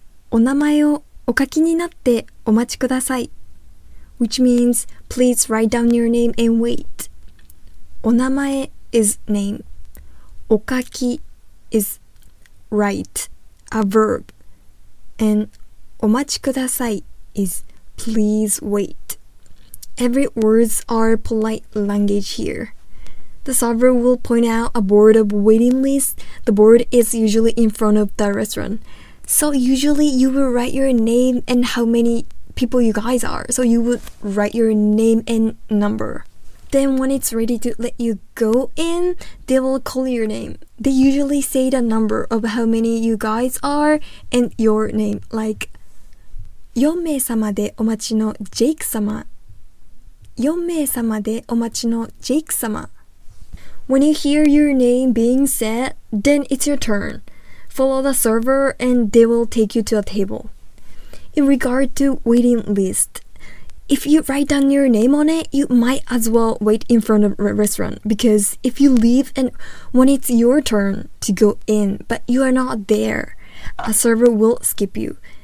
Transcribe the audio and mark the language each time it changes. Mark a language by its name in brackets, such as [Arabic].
[Japanese] お名前をお書きになってお待ちください。 [English] Which means, please write down your name and wait. [Japanese] お名前 [English] is name. [Japanese] お書き [English] is write, a verb. And [Japanese] お待ちください [English] is please wait. Every words are polite language here. The server will point out a board of waiting list. The board is usually in front of the restaurant. So usually you will write your name and how many people you guys are. So you would write your name and number. Then when it's ready to let you go in, they will call your name. They usually say the number of how many you guys are and your name. Like, [Japanese] 4名様でお待ちのジェイク様。4名様でお待ちのジェイク様。 [English] When you hear your name being said, then it's your turn. Follow the server and they will take you to a table. In regard to waiting list, if you write down your name on it, you might as well wait in front of a restaurant. Because if you leave and when it's your turn to go in, but you are not there, a server will skip you.